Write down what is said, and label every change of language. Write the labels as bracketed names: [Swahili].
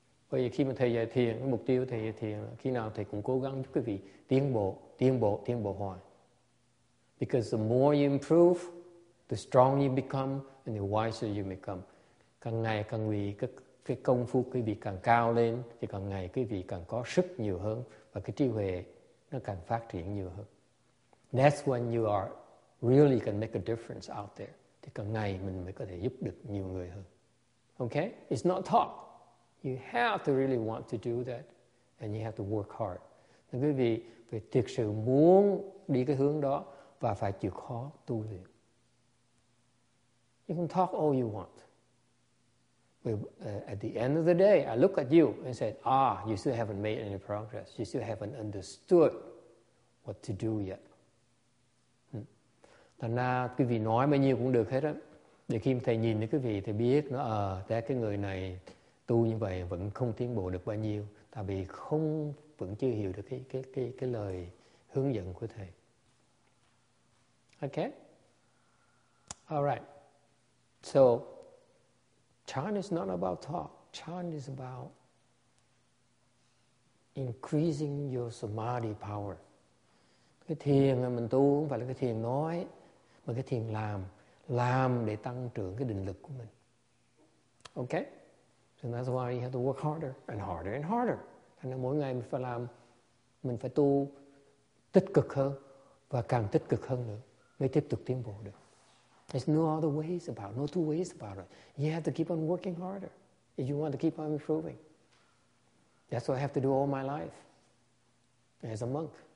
[Vietnamese] Bởi vì khi mà thầy dạy thiền, mục tiêu thầy dạy thiền là khi nào thầy cũng cố gắng giúp quý vị tiến bộ hoài. [English] Because the more you improve, the stronger you become, and the wiser you become. [Vietnamese] Càng ngày càng vì cái công phu quý vị càng cao lên, thì càng ngày quý vị càng có sức nhiều hơn, và cái trí huệ nó càng phát triển nhiều hơn. [English] That's when you are really can make a difference out there. [Vietnamese] Thì càng ngày mình mới có thể giúp được nhiều người hơn. [English] Okay? It's not talk. You have to really want to do that. And you have to work hard. [Vietnamese] Nên quý vị phải thực sự muốn đi cái hướng đó và phải chịu khó tu luyện. [English] You can talk all you want. But at the end of the day, I look at you and say, ah, you still haven't made any progress. You still haven't understood what to do yet. [Vietnamese] Thành ra quý vị nói bao nhiêu cũng được hết á. Để khi thầy nhìn thấy quý vị, thầy biết nó ra cái người này tu như vậy vẫn không tiến bộ được bao nhiêu, tại vì không vẫn chưa hiểu được cái lời hướng dẫn của thầy. [English] Okay. All right. So chan is not about talk. Chan is about increasing your samadhi power. [Vietnamese] Cái thiền mà mình tu không phải là cái thiền nói, mà cái thiền làm để tăng trưởng cái định lực của mình. [English] Okay? So that's why you have to work harder and harder and harder. [Vietnamese] Thành ra mỗi ngày mình phải làm, mình phải tu tích cực hơn và càng tích cực hơn nữa mới tiếp tục tiến bộ được. [English] There's no other ways about it, no two ways about it. You have to keep on working harder if you want to keep on improving. That's what I have to do all my life as a monk.